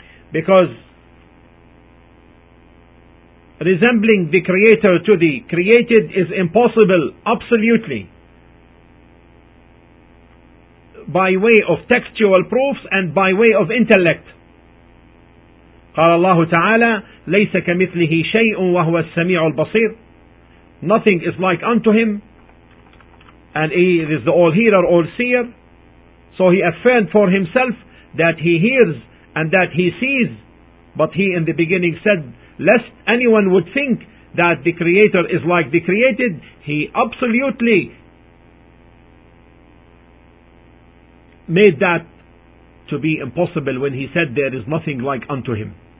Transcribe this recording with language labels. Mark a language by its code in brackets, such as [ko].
[en] Because resembling the Creator to the created is impossible absolutely by way of textual proofs and by way of intellect. [ar] قال الله تعالى ليس كمثله شيء وهو السميع البصير. [en] Nothing is like unto him, and he is the all hearer, all seer. So he affirmed for himself that he hears and that he sees. But he in the beginning said, lest anyone would think that the Creator is like the created, he absolutely made that to be impossible when he said there is nothing like unto him.